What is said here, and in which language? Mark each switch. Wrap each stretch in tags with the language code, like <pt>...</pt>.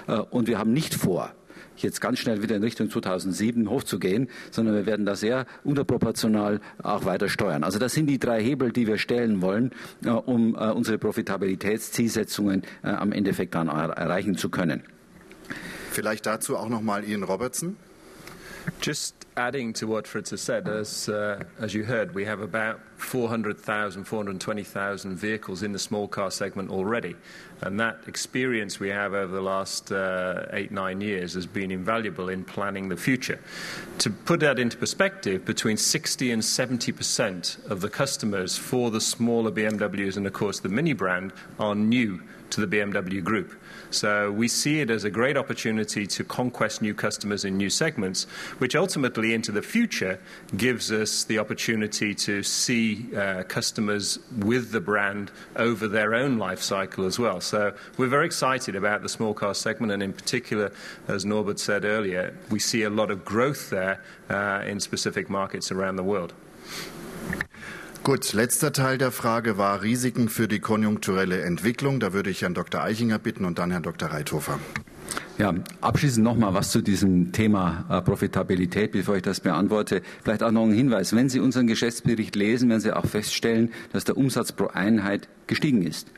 <de>Und wir haben nicht vor, jetzt ganz schnell wieder in Richtung 2007 hochzugehen, sondern wir werden da sehr unterproportional auch weiter steuern. Also das sind die drei Hebel, die wir stellen wollen, um unsere Profitabilitätszielsetzungen am Endeffekt dann erreichen zu können. Vielleicht dazu auch nochmal Ian Robertson.</de> <en>Just adding to what Fritz has said, as you heard, we have about 400,000, 420,000 vehicles in the small car segment already. And that experience we have over the last 8-9 years has been invaluable in planning the future. To put that into perspective, between 60 and 70% of the customers for the smaller BMWs and, of course, the Mini brand are new to the BMW group. So we see it as a great opportunity to conquest new customers in new segments, which ultimately into the future gives us the opportunity to see customers with the brand over their own life cycle as well. So we're very excited about the small car segment, and in particular, as Norbert said earlier, we see a lot of growth there in specific markets around the world.</en> <de>Gut, letzter Teil der Frage war Risiken für die konjunkturelle Entwicklung. Da würde ich Herrn Dr. Eichinger bitten und dann Herrn Dr. Reithofer. Ja, abschließend nochmal was zu diesem Thema Profitabilität, bevor ich das beantworte. Vielleicht auch noch ein Hinweis. Wenn Sie unseren Geschäftsbericht lesen, werden Sie auch feststellen, dass der Umsatz pro Einheit gestiegen ist.</de>